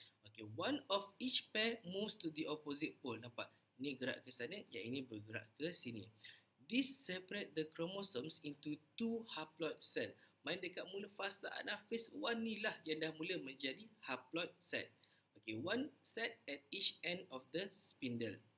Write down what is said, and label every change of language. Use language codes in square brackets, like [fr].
[en] Okay, one of each pair moves to the opposite pole. [ms] Nampak? Ni gerak ke sana, yang ini bergerak ke sini. [en] This separate the chromosomes into two haploid cells. [ms] Main dekat mula fasa anaphase 1 ni lah yang dah mula menjadi haploid set. [en] Okay, one set at each end of the spindle.